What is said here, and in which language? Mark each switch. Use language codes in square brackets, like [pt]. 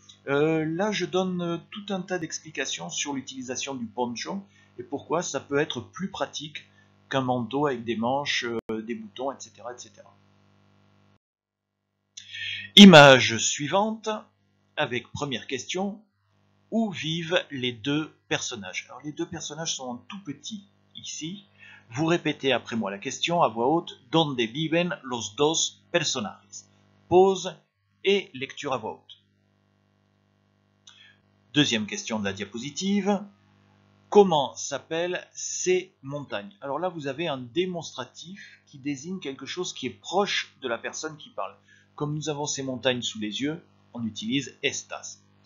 [fr] Là, je donne tout un tas d'explications sur l'utilisation du poncho et pourquoi ça peut être plus pratique qu'un manteau avec des manches, des boutons, etc., etc. Image suivante, avec première question, où vivent les deux personnages? Alors, les deux personnages sont en tout petit ici. Vous répétez après moi la question à voix haute. [es] ¿Dónde viven los dos personajes? [fr] Pause et lecture à voix haute. Deuxième question de la diapositive. Comment s'appellent ces montagnes? Alors là, vous avez un démonstratif qui désigne quelque chose qui est proche de la personne qui parle. Comme nous avons ces montagnes sous les yeux, on utilise estas.